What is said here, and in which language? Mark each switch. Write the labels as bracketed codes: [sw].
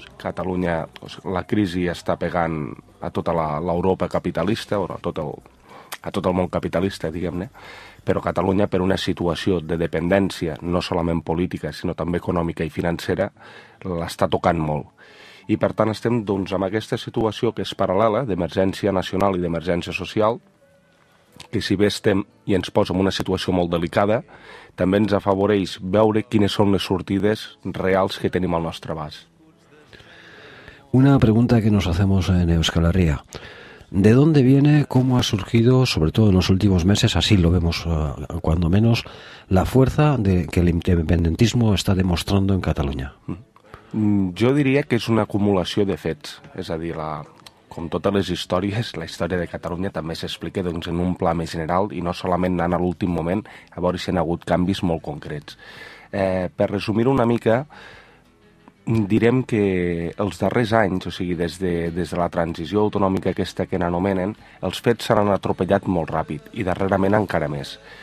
[ca] Catalunya, la crisi està pegant a tota l'Europa capitalista, o a tot el món capitalista, diguem-ne, però Catalunya, per una situació de dependència, no solament política, sinó també econòmica i financera, l'està tocant molt. I, per tant, estem, doncs, amb aquesta situació que és paral·lela d'emergència nacional i d'emergència social, que, si bé estem i ens posa en una situació molt delicada, també ens afavoreix veure quines són les sortides reals que tenim al nostre abast. [es] Una pregunta que nos hacemos en Euskal Herria. ¿De dónde viene, cómo ha surgido, sobre todo en los últimos meses, así lo vemos cuando menos, la fuerza de que el independentismo está demostrando en Cataluña? [ca] Jo diria que és una acumulació de fets, és a dir, com totes les històries, la història de Catalunya també s'explica, doncs, en un pla més general i no solament anant a l'últim moment a veure si hi ha hagut canvis molt concrets. Per resumir una mica, direm que els darrers anys, o sigui, des de la transició autonòmica aquesta que n'anomenen, els fets s'han atropellat molt ràpid i darrerament encara més.